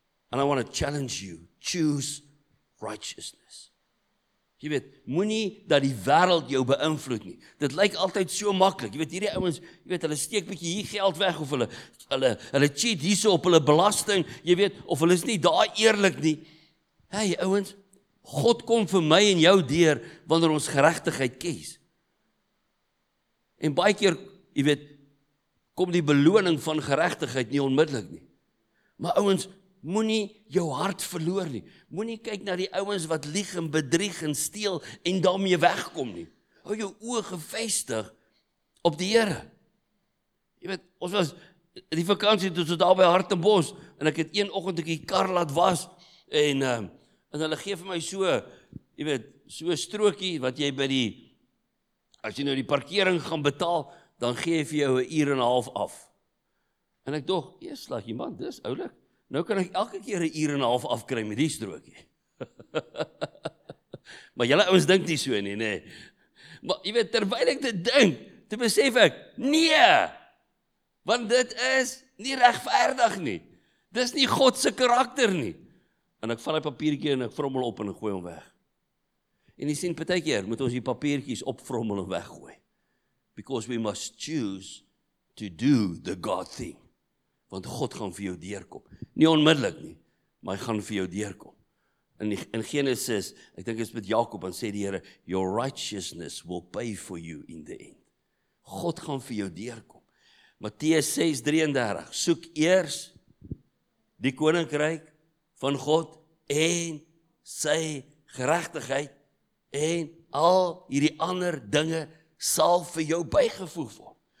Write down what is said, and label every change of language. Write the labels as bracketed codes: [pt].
[en] And I want to challenge you, choose righteousness. [af] Jy weet, moenie dat die wêreld jou beïnvloed nie. Dit lyk altyd so maklik. Jy weet, hierdie ouens, jy weet, hulle steek bietjie hier geld weg of hulle cheat hierso op hulle belasting, jy weet, of hulle is nie daar eerlik nie. Hey ouens, God kom vir my en jou deur wanneer ons geregtigheid kies. En baie keer, jy weet, kom die beloning van geregtigheid nie onmiddellik nie. Maar ouens, moenie jou hart verloor nie. Moenie kyk na die ouens wat lieg en bedrieg en steel en daarmee wegkom nie. Hou jou oë gevestig op die Here. Jy weet, ons was die vakansie toe so daar by Hartenbos en ek het een oggend ek die kar laat was en hulle gee vir my so, jy weet, so strookie wat jy by die, as jy nou die parkering gaan betaal, dan gee vir jou 1.5 uur af. En ek dog, eers lag iemand, dis oulik. Nou kan ek elke keer 1.5 uur afkry met die strookie. Maar julle ouens dink nie so nie, nê. Maar jy weet, terwyl ek dit dink, toe besef ek, nee, want dit is nie regverdig nie. Dis nie God se karakter nie. En ek val die papiertjie en ek vrommel op en ek gooi hom weg. En jy sien, baie keer moet ons die papiertjies opvrommel en weggooi. [en] Because we must choose to do the God thing. [af] Want God gaan vir jou deurkom. Nie onmiddellik nie, maar hy gaan vir jou deurkom. In Genesis, ek dink is met Jakob, dan sê die Here, [en] your righteousness will pay for you in the end. [af] God gaan vir jou deurkom. Matteus 6:33, soek eers die koninkryk van God en sy geregtigheid en al hierdie ander dinge sal vir jou bygevoeg word.